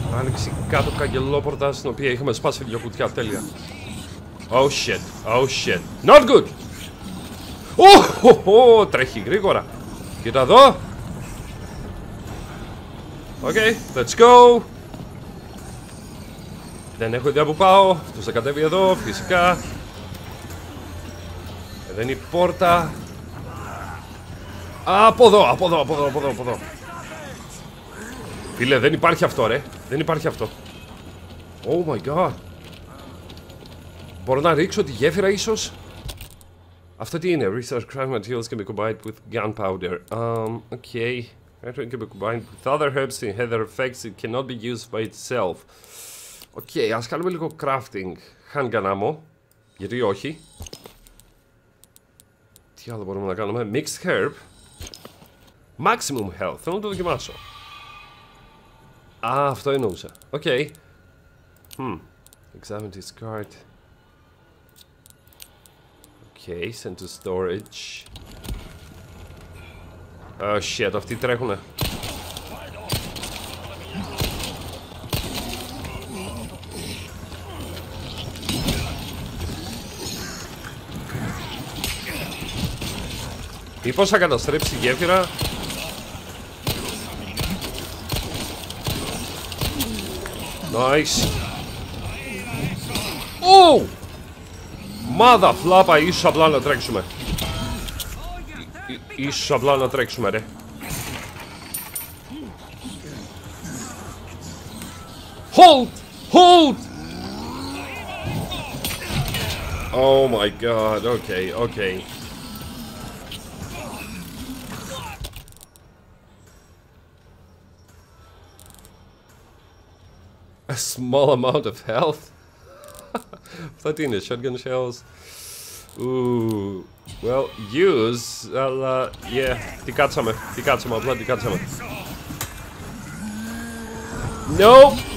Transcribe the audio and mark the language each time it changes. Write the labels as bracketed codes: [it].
[el] Άνοιξε κάτω καγγελόπορτα στην οποία είχαμε σπάσει δυο κουτιά, τέλεια. [en] Oh shit, oh shit. Not good. [el] Oh, oh, oh, τρέχει γρήγορα. Κοίτα εδώ. [en] Okay, let's go. [el] Δεν έχω ιδέα που πάω. Αυτός θα κατέβει εδώ, φυσικά. Εδώ είναι η πόρτα. Από εδώ, από εδώ, από εδώ, από εδώ, από εδώ. Φίλε, δεν υπάρχει αυτό, ρε. Δεν υπάρχει αυτό. [en] Oh my god. [el] Μπορώ να ρίξω τη γέφυρα ίσως. Αυτό τι είναι. [en] Research crime materials can be combined with gunpowder. Okay. Everything can be combined with other herbs and heather effects. It cannot be used by itself. [el] Okay, ας κάνουμε λίγο crafting. [en] Handgun ammo. [el] Γιατί όχι. Τι άλλο μπορούμε να κάνουμε. [en] Mixed herb. Maximum health. [el] Θέλω να το δοκιμάσω. Α, αυτό εννοούσα. Οκ. [en] Examine this card. Οκ, send to storage. Oh shit, [el] αυτοί τρέχουνε. Μήπως θα καταστρέψει η γέφυρα. [en] Nice. [el] Oh! Μάδα φλάπα, ίσως απλά να τρέξουμε. Ίσως απλά να τρέξουμε, ρε. [en] Hold! Hold! Oh my god, okay, okay. A small amount of health. [el] Αυτά τι είναι, [en] shotgun shells. [el] Ooh. Well, use, αλλά, yeah, τι κάτσαμε, απλά τι κάτσαμε. [en] No!